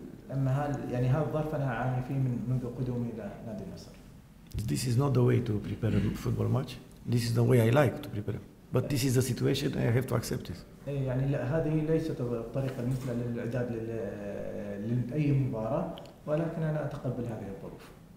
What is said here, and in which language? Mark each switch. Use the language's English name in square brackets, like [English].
[Arabic] أما هذا الظرف أنا أعاني فيه منذ قدومي إلى نادي النصر. [English] This is not the way to prepare a football match. This is the way I like to prepare. But this is the situation and I have to accept it. [Arabic] يعني لا، هذه ليست الطريقة المثلى للإعداد لأي مباراة، ولكن أنا أتقبل هذه الظروف.